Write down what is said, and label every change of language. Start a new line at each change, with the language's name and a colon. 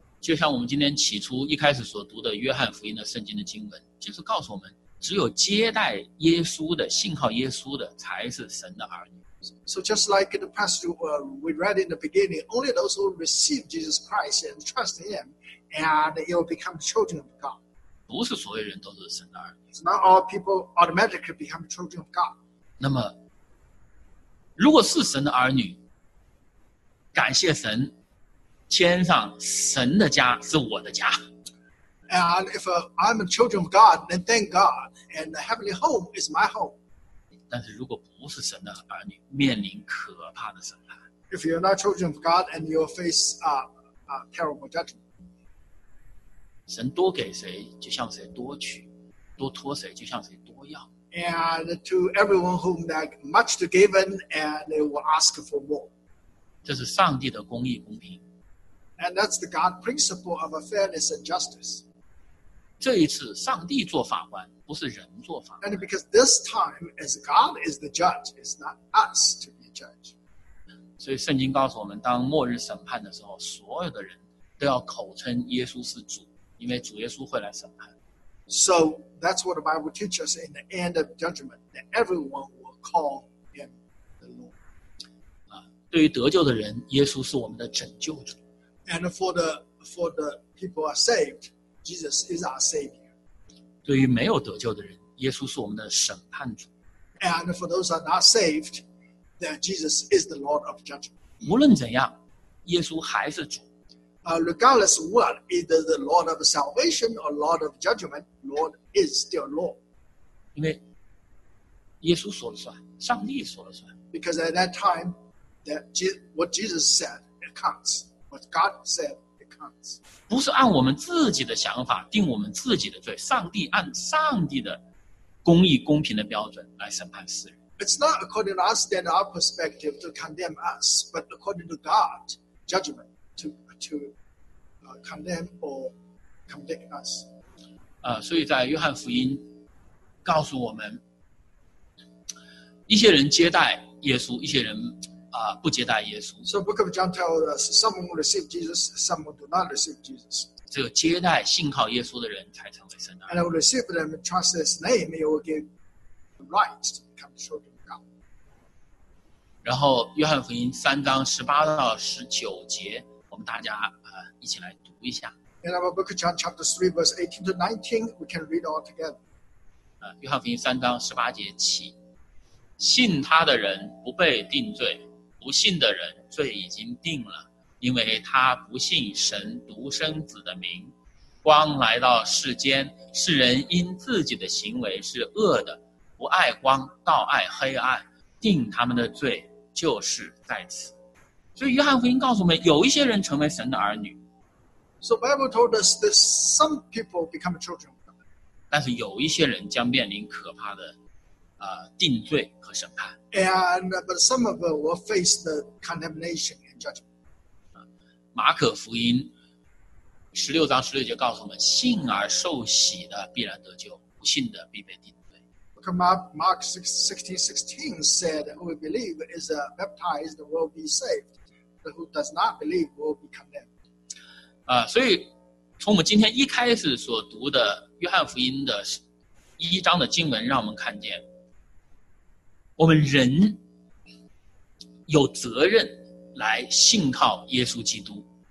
Chinese: 就像我们今天起初一开始所读的约翰福音的圣经的经文，就是告诉我们，只有接待耶稣的、信靠耶稣的，才是神的儿女。
English: So just like the passage we read in the beginning, only those who receive Jesus Christ and trust Him, and it will become children of God.
Chinese: 不是所有人都是神的儿女。
English: It's not all people automatically become children of God.
Chinese: 那么。如果是神的儿女，感谢神，天上神的家是我的家。
English: And if I'm a children of God, then thank God, and the heavenly home is my home.
Chinese: 但是如果不是神的儿女，面临可怕的审判。
English: If you're not children of God, and you'll face a terrible judgment.
Chinese: 神多给谁，就向谁多取；多托谁，就向谁多要。
English: And to everyone whom that much to given, and they will ask for more.
Chinese: 这是上帝的公义公平。
English: And that's the God principle of fairness and justice.
Chinese: 这一次上帝做法官，不是人做法官。
English: And because this time, as God is the judge, it's not us to be judged.
Chinese: 所以圣经告诉我们，当末日审判的时候，所有的人都要口称耶稣是主，因为主耶稣会来审判。
English: So that's what the Bible teaches us in the end of judgment, that everyone will call him the Lord.
Chinese: 对于得救的人，耶稣是我们的拯救者。
English: And for the people who are saved, Jesus is our Savior.
Chinese: 对于没有得救的人，耶稣是我们的审判主。
English: And for those who are not saved, that Jesus is the Lord of judgment.
Chinese: 无论怎样，耶稣还是主。
English: Regardless of what, either the Lord of salvation or Lord of judgment, Lord is still Lord.
Chinese: 因为耶稣说了算，上帝说了算。
English: Because at that time, that what Jesus said, it counts. What God said, it counts.
Chinese: 不是按我们自己的想法定我们自己的罪，上帝按上帝的公义公平的标准来审判世人。
English: It's not according to us that our perspective to condemn us, but according to God, judgment to condemn or convict us.
Chinese: 所以在约翰福音告诉我们，一些人接待耶稣，一些人不接待耶稣。
English: So Book of John tells us some receive Jesus, some do not receive Jesus.
Chinese: 只有接待信靠耶稣的人才成为圣的。
English: And receive them, trust His name, you will give the right to become children of God.
Chinese: 然后约翰福音三章十八到十九节。我们大家一起来读一下。
English: In our book John chapter 3 verse 18 to 19, we can read all together.
Chinese: 约翰福音三章十八节起，信他的人不被定罪，不信的人罪已经定了，因为他不信神独生子的名。光来到世间，世人因自己的行为是恶的，不爱光，倒爱黑暗，定他们的罪就是在此。所以约翰福音告诉我们，有一些人成为神的儿女。
English: So Bible told us that some people become children of God.
Chinese: 但是有一些人将面临可怕的定罪和审判。
English: And but some of them will face the condemnation and judgment.
Chinese: 马可福音16章16节告诉我们，信而受洗的必然得救，不信的必被定罪。
English: Mark 16:16 said, who believe is baptized will be saved, but who does not believe will be condemned.
Chinese: 所以从我们今天一开始所读的约翰福音的一章的经文，让我们看见我们人有责任来信靠耶稣基督。